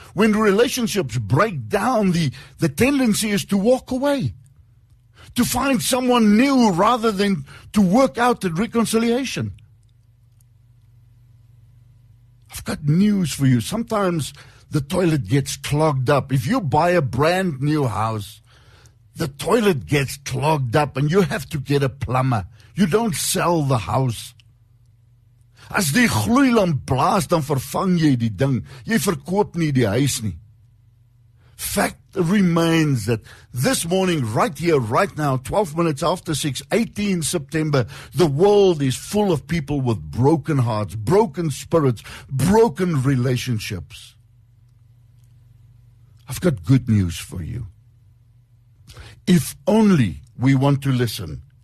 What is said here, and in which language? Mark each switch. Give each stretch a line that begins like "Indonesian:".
English: When relationships break down, the tendency is to walk away, to find someone new rather than to work out the reconciliation. I've got news for you. Sometimes the toilet gets clogged up. If you buy a brand new house, the toilet gets clogged up and you have to get a plumber. You don't sell the house.
Afrikaans: As die gloeilamp blaas, dan vervang jy die ding. Jy verkoop nie die huis nie.
English: Fact remains that this morning, right here, right now, 12 minutes after 6, 18 September, the world is full of people with broken hearts, broken spirits, broken relationships. I've got good news for you. If only we want to listen.